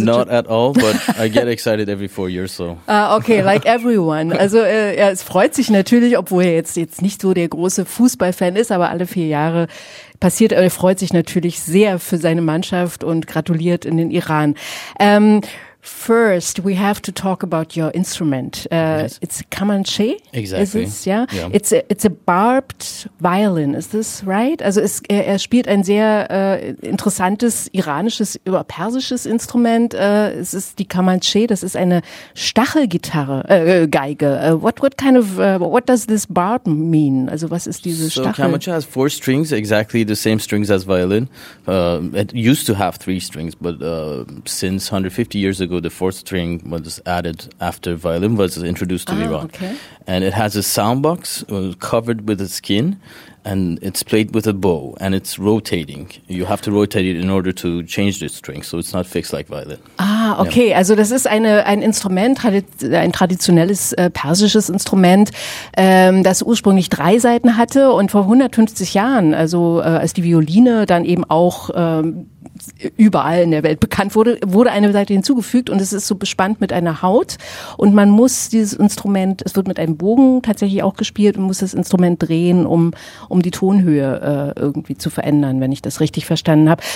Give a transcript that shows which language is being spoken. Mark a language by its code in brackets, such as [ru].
[en] not at all, but I get excited every 4 years. So. Okay, like everyone. [de] Also es freut sich natürlich, obwohl er jetzt nicht so der große Fußballfan ist, aber alle 4 Jahre passiert. Er freut sich natürlich sehr für seine Mannschaft und gratuliert in den Iran. [en] First, we have to talk about your instrument. Yes. It's a Kamanche. Exactly. Yeah. It's a barbed violin. Is this right? [de] Also, er spielt ein sehr interessantes iranisches oder persisches Instrument. Es ist die Kamanche. Das ist eine Stachelgitarre, Geige. [en] What does this barb mean? [de] Also, was ist diese Stachel? [en] So, Kamanche has 4 strings, exactly the same strings as violin. It used to have 3 strings, but since 150 years ago, the 4th string was added after violin was introduced to Iran. Okay. And it has a sound box covered with a skin, and it's played with a bow, and it's rotating. You have to rotate it in order to change the string, so it's not fixed like violin. Ah, okay, yeah. [de] Also das ist ein traditionelles persisches Instrument, das ursprünglich 3 Saiten hatte und vor 150 Jahren, also als die Violine dann eben auch überall in der Welt bekannt wurde eine Seite hinzugefügt und es ist so bespannt mit einer Haut und man muss dieses Instrument, es wird mit einem Bogen tatsächlich auch gespielt und muss das Instrument drehen, um die Tonhöhe irgendwie zu verändern, wenn ich das richtig verstanden habe.